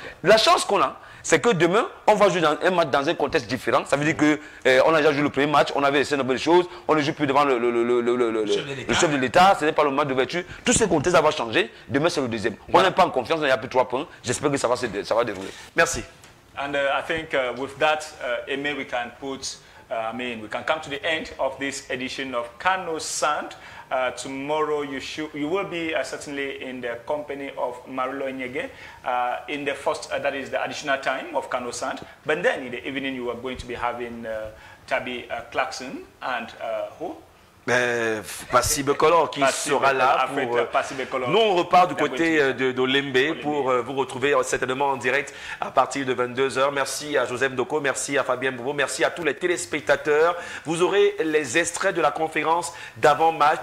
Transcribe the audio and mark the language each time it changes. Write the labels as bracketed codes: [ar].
[fr] La chance qu'on a, c'est que demain, on va jouer dans un match dans un contexte différent. Ça veut dire qu'on a déjà joué le premier match, on avait essayé de belles choses, on ne joue plus devant le chef de l'État, ce n'est pas le match d'ouverture. Tout ce contexte va changer. Demain, c'est le deuxième. Ouais. On n'est pas en confiance, il n'y a plus trois points. J'espère que ça va dérouler. Merci. [en] And I think with that, Aimé, we can put, we can come to the end of this edition of Kano Sand. Tomorrow you will be certainly in the company of Marulo Nyege in the first, that is the additional time of Kano Sand. But then in the evening you are going to be having Tabi Clarkson and who? [fr] Passy Bekolor qui sera là pour nous. On repart du côté de Lembe pour vous retrouver certainement en direct à partir de 22h. Merci à Joseph Doko, merci à Fabien Boubou, merci à tous les téléspectateurs. Vous aurez les extraits de la conférence d'avant-match.